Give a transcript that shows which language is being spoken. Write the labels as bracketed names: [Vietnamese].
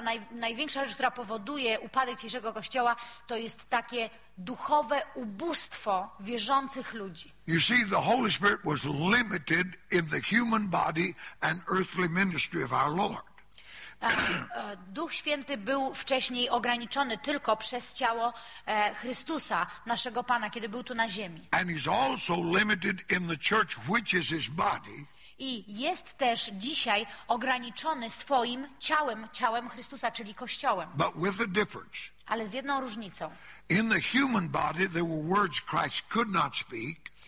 [Polish] Największa rzecz, która powoduje upadek dzisiejszego Kościoła, to jest takie duchowe ubóstwo wierzących ludzi. [English] You see, the Holy Spirit was limited in the human body and earthly ministry of our Lord. [Polish] Duch Święty był wcześniej ograniczony tylko przez ciało Chrystusa, naszego Pana, kiedy był tu na ziemi. [English] And he's also limited in the church, which is his body. [Polish] I jest też dzisiaj ograniczony swoim ciałem, ciałem Chrystusa, czyli Kościołem. [English] But with a difference. [Polish] Ale z jedną różnicą. [English] In the human body there were words Christ could not speak.